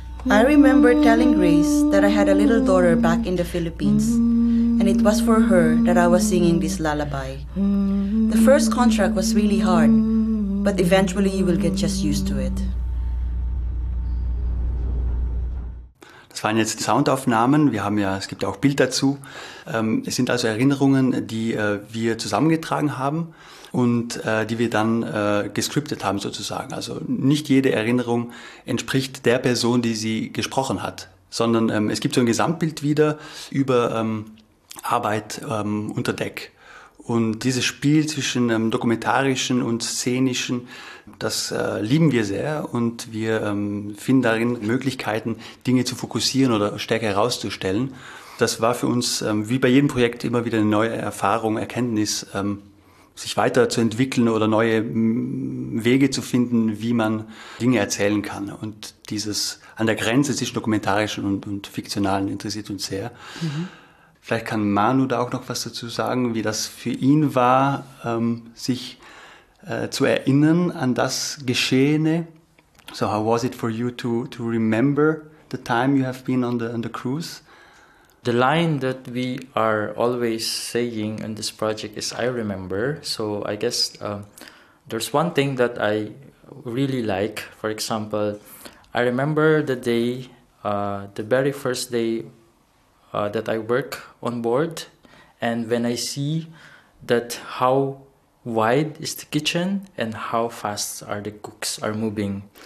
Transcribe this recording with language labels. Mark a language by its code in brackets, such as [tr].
[en] I remember telling Grace that I had a little daughter back in the Philippines, and it was for her that I was singing this lullaby. The first contract was really hard, but eventually you will get just used to it. [de] Das waren jetzt Soundaufnahmen. Wir haben ja, es gibt ja auch Bild dazu. Es sind also Erinnerungen, die wir zusammengetragen haben und die wir dann gescriptet haben sozusagen. Also nicht jede Erinnerung entspricht der Person, die sie gesprochen hat, sondern es gibt so ein Gesamtbild wieder über Arbeit unter Deck. Und dieses Spiel zwischen dokumentarischen und szenischen, das lieben wir sehr und wir finden darin Möglichkeiten, Dinge zu fokussieren oder stärker herauszustellen. Das war für uns wie bei jedem Projekt immer wieder eine neue Erfahrung, Erkenntnis, sich weiterzuentwickeln oder neue Wege zu finden, wie man Dinge erzählen kann. Und dieses an der Grenze zwischen dokumentarischen und fiktionalen interessiert uns sehr. Mhm. Vielleicht kann Manu da auch noch was dazu sagen, wie das für ihn war, sich zu erinnern an das Geschehene. [en] So how was it for you to remember the time you have been on the cruise? The line that we are always saying in this project is I remember. So I guess there's one thing that I really like. For example, I remember the day, the very first day that I work on board, and when I see that how wide is the kitchen and how fast are the cooks are moving.